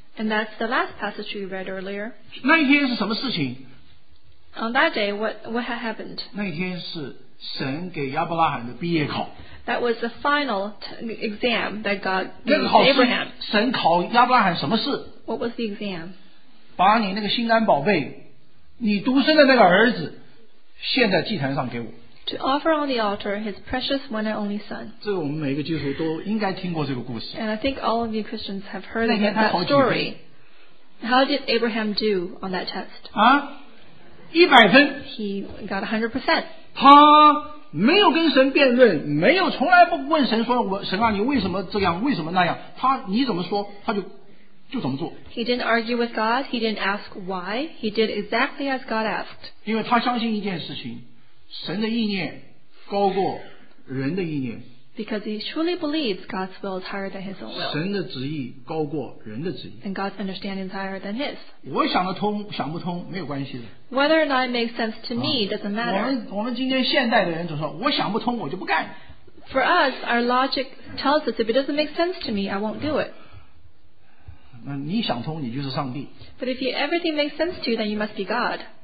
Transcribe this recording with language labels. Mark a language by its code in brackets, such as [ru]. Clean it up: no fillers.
[en] And that's the last passage we read earlier. [zh] 那一天是什么事情? [en] On that day, what had happened? [zh] 那一天是神给亚伯拉罕的毕业考。 [en] That was the final exam that God gave to Abraham. [zh] 神考亚伯拉罕什么事? [en] What was the exam? [zh] 把你那个心肝宝贝, 你独生的那个儿子现在祭坛上给我。 [en] To offer on the altar his precious one and only son. [zh] 这我们每个基督徒都应该听过这个故事。 [en] And I think all of you Christians have heard of that story. How did Abraham do on that test? [zh] 啊?100分。 [en] He got 100%. [zh] 他没有跟神辩论, 没有从来不问神说神啊你为什么这样为什么那样, 他你怎么说他就 [en] He didn't argue with God. He didn't ask why. He did exactly as God asked. [zh] 因为他相信一件事情, 神的意念高过人的意念。 [en] Because he truly believes God's will is higher than his own will. [zh] 神的旨意高过人的旨意。 [en] And God's understanding is higher than his. [zh] 我想得通,想不通,没有关系的。 [en] Whether or not it makes sense to me doesn't matter. [zh] 我们今天现代的人就说,我想不通,我就不干。 [en] For us, our logic tells us if it doesn't make sense to me, I won't do it. [zh] 你想通你就是上帝。 [en] But if everything makes sense to you, then you must be God.